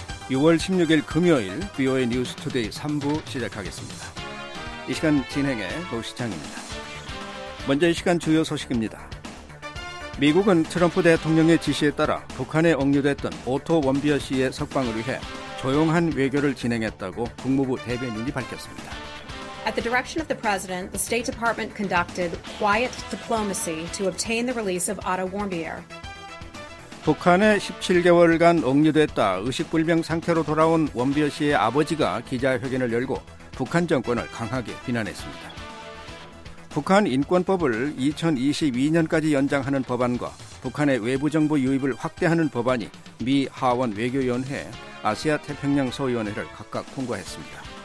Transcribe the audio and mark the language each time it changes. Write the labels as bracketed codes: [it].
[ko] 6월 16일 금요일 VOA 뉴스 투데이 3부 시작하겠습니다. 이 시간 진행의 노시창입니다. 먼저 이 시간 주요 소식입니다. 미국은 트럼프 대통령의 지시에 따라 북한에 억류됐던 오토 원비어 씨의 석방을 위해 조용한 외교를 진행했다고 국무부 대변인이 밝혔습니다. [en] At the direction of the president, the State Department conducted quiet diplomacy to obtain the release of Otto Warmbier. [ko] 북한에 17개월간 억류됐다 의식불명 상태로 돌아온 원비어 씨의 아버지가 기자회견을 열고 북한 정권을 강하게 비난했습니다. 북한 인권법을 2022년까지 연장하는 법안과 북한의 외부정부 유입을 확대하는 법안이 미 하원 외교위원회, 아시아태평양 소위원회를 각각 통과했습니다.